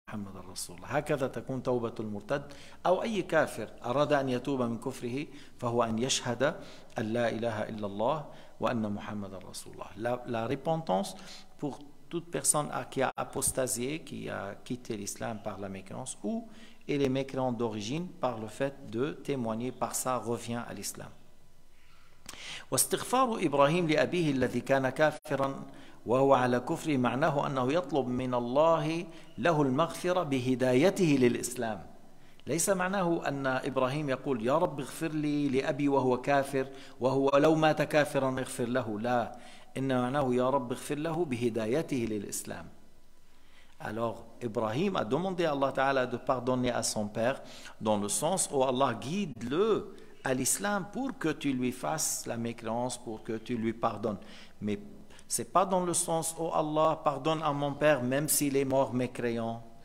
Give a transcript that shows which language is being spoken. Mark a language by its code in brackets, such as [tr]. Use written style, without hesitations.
[ar] محمد الرسول هكذا تكون توبة المرتد أو أي كافر أراد أن يتوب من كفره فهو أن يشهد أن لا إله إلا الله وأن محمد الرسول الله. [fr] La repentance pour toute personne qui a apostasié, qui a quitté l'islam par la mécréance, ou et les mécréants d'origine par le fait de témoigner, par ça revient à l'islam. [ar] واستغفار إبراهيم لأبيه الذي كان كافرا وهو على كفره معناه أنه يطلب من الله له المغفرة بهدايته للإسلام. ليس معناه أن إبراهيم يقول يا رب اغفر لي لأبي وهو كافر وهو لو مات كافرا اغفر له، لا، إن معناه يا رب اغفر له بهدايته للإسلام. [fr] Alors Ibrahim a demandé à Allah Ta'ala de pardonner à son père dans le sens où Allah guide-le à l'islam pour que tu lui fasses la mécréance, pour que tu lui pardonnes. Mais c'est pas dans le sens « Oh Allah, pardonne à mon père même s'il est mort mécréant ».